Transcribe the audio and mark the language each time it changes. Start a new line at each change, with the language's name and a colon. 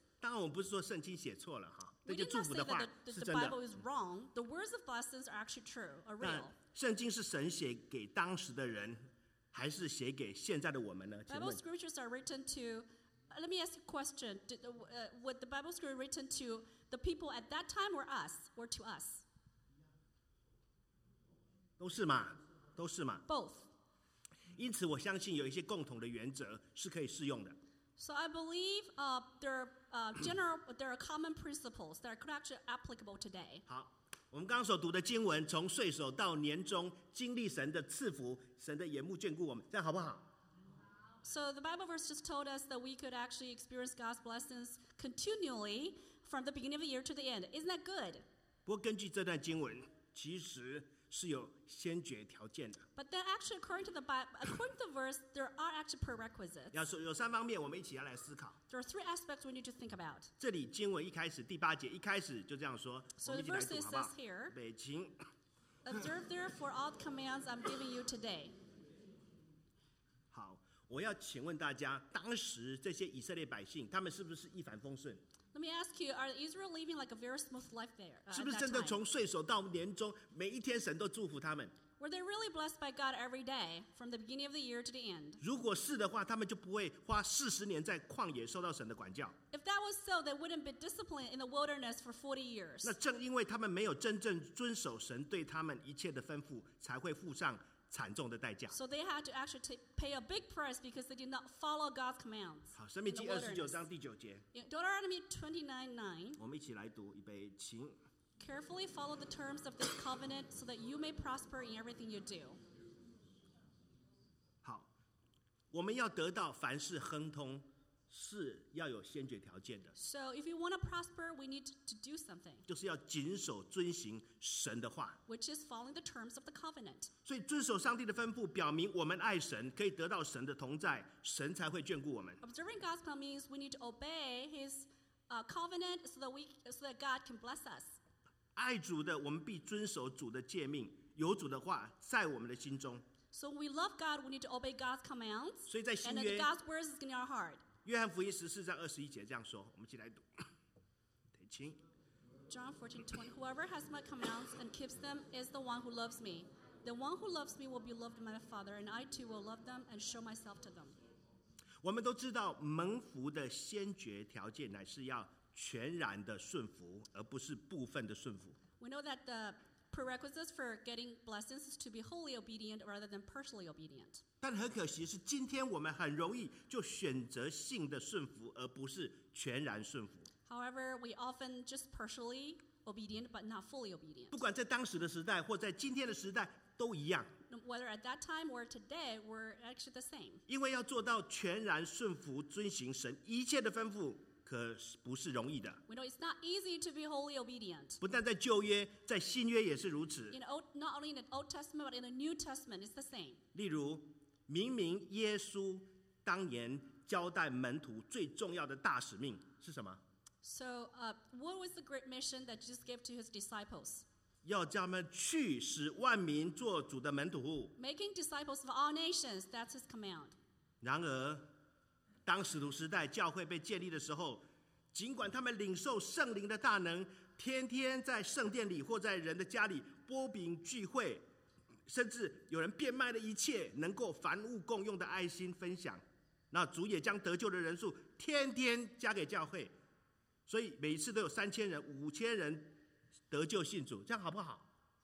Chinese: 当然我们不是说圣经写错了哈，那些祝福的话是真的。
English: The Bible is wrong. The words of blessings are actually true, are real.
Chinese: 圣经是神写给当时的人，还是写给现在的我们呢？
English: Bible scriptures are written to. Let me ask you a question. Would the Bible scripture written to the people at that time or us or to us?
Chinese: 都是嘛，都是嘛。
English: Both.
Chinese: 因此，我相信有一些共同的原则是可以适用的。
English: So I believe there are common principles that are actually applicable today.
Chinese: 好，我们刚所读的经文，从岁首到年终，经历神的赐福，神的眼目眷顾我们，这样好不好？
English: So the Bible verse just told us that we could actually experience God's blessings continually from the beginning of the year to the end. Isn't that good?
Chinese: 不过根据这段经文，其实是有先决条件的。
English: But then actually, according to the verse, there are actually prerequisites.
Chinese: 要说有三方面，我们一起要来思考。
English: There are three aspects we need to think about.
Chinese: 这里经文一开始第八节一开始就这样说。
English: So the verse says here.
Chinese: 北京。
English: Observe therefore all the commands I'm giving you today.
Chinese: 好，我要请问大家，当时这些以色列百姓，他们是不是一帆风顺？
English: Let me ask you, are Israel living like a very smooth life there?
Chinese: 是不是真的从岁首到年终，每一天神都祝福他们？
English: Were they really blessed by God every day, from the beginning of the year to the end?
Chinese: 如果是的话，他们就不会花40年在旷野受到神的管教。
English: If that was so, they wouldn't be disciplined in the wilderness for 40 years.
Chinese: 那正因为他们没有真正遵守神对他们一切的吩咐，才会付上惨重的代价。
English: So they had to actually pay a big price because they did not follow God's commands.
Chinese: 好，生命记29:9。
English: Deuteronomy 29:9.
Chinese: 我们一起来读，预备，请。
English: Carefully follow the terms of this covenant so that you may prosper in everything you do.
Chinese: 好，我们要得到凡事亨通，是要有先决条件的。
English: So if you want to prosper, we need to do something.
Chinese: 就是要谨守遵行神的话。
English: Which is following the terms of the covenant.
Chinese: 所以遵守上帝的吩咐，表明我们爱神，可以得到神的同在，神才会眷顾我们。
English: Observing God's command means we need to obey His covenant so that God can bless us.
Chinese: 爱主的，我们必遵守主的诫命，有主的话在我们的心中。
English: So we love God, we need to obey God's commands.
Chinese: 所以在新约
English: ，and God's words is in our heart.
Chinese: 约翰福音14:21这样说，我们一起来读，得请。
English: John 14, 20, whoever has my commands and keeps them is the one who loves me. The one who loves me will be loved by my Father, and I too will love them and show myself to them.
Chinese: 我们都知道蒙福的先决条件乃是要全然的顺服，而不是部分的顺服。
English: We know that the prerequisites for getting blessings is to be wholly obedient rather than partially obedient.
Chinese: 但很可惜是今天我们很容易就选择性的顺服，而不是全然顺服。
English: However, we often just partially obedient but not fully obedient.
Chinese: 不管在当时的时代或在今天的时代都一样。
English: Whether at that time or today, we're actually the same.
Chinese: 因为要做到全然顺服遵行神一切的吩咐可不是容易的。
English: We know it's not easy to be wholly obedient.
Chinese: 不但在旧约，在新约也是如此。
English: Not only in the Old Testament, but in the New Testament, it's the same.
Chinese: 例如，明明耶稣当年交代门徒最重要的大使命是什么？
English: So, what was the great mission that Jesus gave to his disciples?
Chinese: 要叫他们去，使万民做主的门徒。
English: Making disciples of all nations, that's his command.
Chinese: 然而当使徒时代教会被建立的时候，尽管他们领受圣灵的大能，天天在圣殿里或在人的家里擘饼聚会，甚至有人变卖了一切能够凡物共用的爱心分享，那主也将得救的人数天天加给教会，所以每次都有3000人、5000人得救信主，这样好不好？